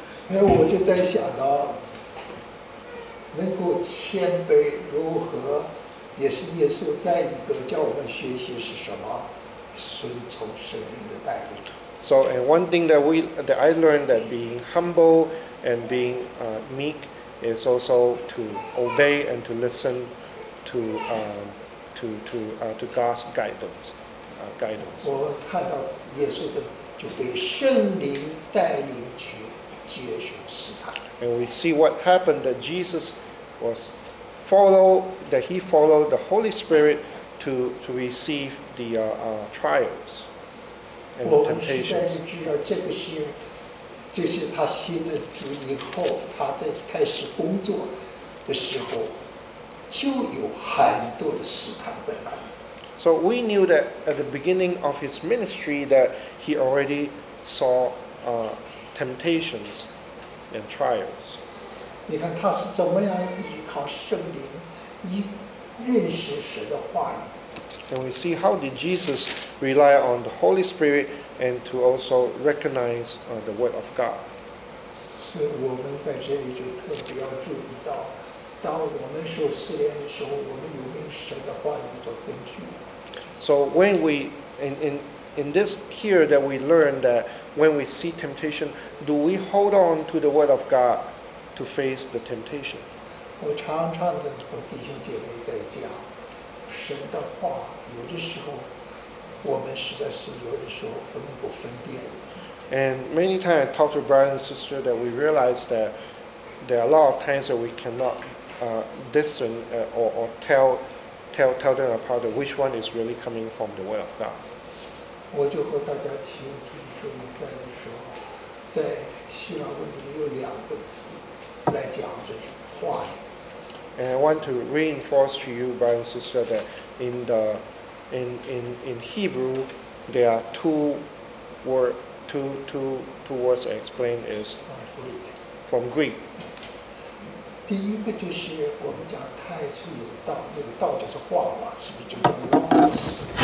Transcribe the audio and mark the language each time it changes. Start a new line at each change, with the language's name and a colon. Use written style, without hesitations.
Chinese: 哎，我就在想到，能够谦卑如何，也是耶稣再一个叫我们学习是什么？顺从圣灵的带领。
English: So, and one thing that I learned that being humble and being meek is also to obey and to listen to God's guidance.
Chinese: 我看到耶稣就被圣灵带领去接受试探。
English: And we see what happened that Jesus was followed the Holy Spirit to receive the trials and the temptations.
Chinese: 我们现在知道这是他信了主以后，他在开始工作的时候就有很多的试探在那里。
English: So we knew that at the beginning of his ministry that he already saw temptations and trials.
Chinese: 你看他是怎么样依靠圣灵，依认识神的话语。
English: And we see how did Jesus rely on the Holy Spirit and to also recognize the word of God.
Chinese: 所以我们在这里就特别要注意到，当我们受试炼的时候，我们有没有神的话语做根据。
English: So when we, in this here that we learn that when we see temptation, do we hold on to the word of God to face the temptation?
Chinese: 我常常的和弟兄姐妹在讲，神的话有的时候我们实在是有的时候不能够分辨。
English: And many times I talk to brother and sister that we realize that there are a lot of times that we cannot discern or tell them apart which one is really coming from the word of God.
Chinese: 我就和大家请弟兄们在的时候，在希腊文里面有两个词来讲这话。
English: And I want to reinforce to you, brother and sister, that in Hebrew, there are two words explained is from Greek.
Chinese: 第一个就是我们讲太初有道，那个道就是话嘛，是不是就叫 logos？